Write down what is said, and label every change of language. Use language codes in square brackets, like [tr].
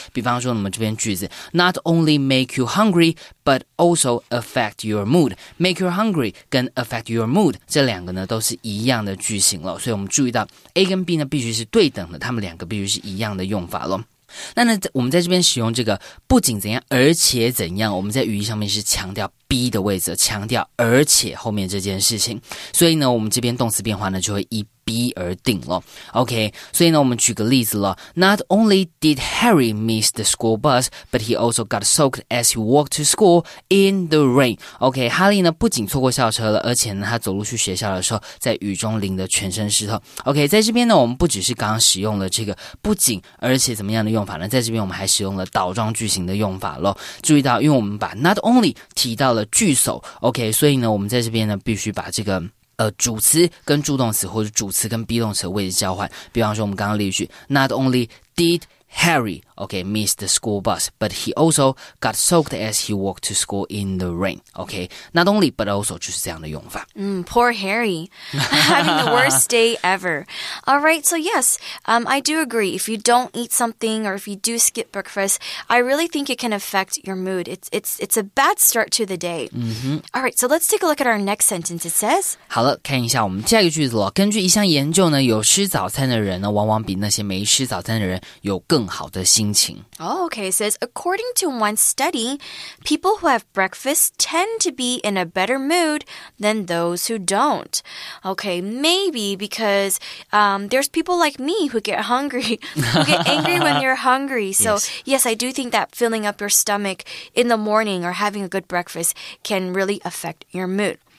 [zh] 比方说我们这边句子 Not only make you hungry but also affect your mood， make you hungry 跟 affect your mood 这两个呢都是一样的句型咯。所以我们注意到 A 跟 B 呢必须是对等的，它们两个必须是一样的用法咯。那呢我们在这边使用这个不仅怎样而且怎样，我们在语义上面是强调 B 的位置，强调而且后面这件事情，所以呢我们这边动词变化呢就会以 B 而定了。 [en] OK， [zh] 所以呢我们举个例子了， [en] Not only did Harry miss the school bus but he also got soaked as he walked to school in the rain。 [zh] OK， 哈利呢不仅错过校车了，而且呢他走路去学校的时候在雨中淋得全身湿透。 OK， 在这边呢我们不只是刚刚使用了这个不仅而且怎么样的用法呢，在这边我们还使用了倒装句型的用法咯。注意到因为我们把 not only 提到了句首， OK， 所以呢我们在这边呢必须把这个主词跟助动词或者主词跟 be 动词的位置交换。比方说我们刚刚例句 [en] Not only did Harry okay, miss the school bus but he also got soaked as he walked to school in the rain。 okay, Not only but also 就是这样的用法、 Poor Harry having the worst day ever。 Alright, so yes、I do agree, if you don't eat something or if you do skip breakfast, I really think it can affect your mood. It's a bad start to the day、Alright, so let's take a look at our next sentence. It says [zh] 好了，看一下我们下一个句子了。根据一项研究呢，有吃早餐的人呢往往比那些没吃早餐的人有更好的心情。 [en] Oh, okay, it says, according to one study, people who have breakfast tend to be in a better mood than those who don't. Okay, maybe because、there's people like me who get hungry, who get angry when you're hungry. So, yes, I do think that filling up your stomach in the morning or having a good breakfast can really affect your mood.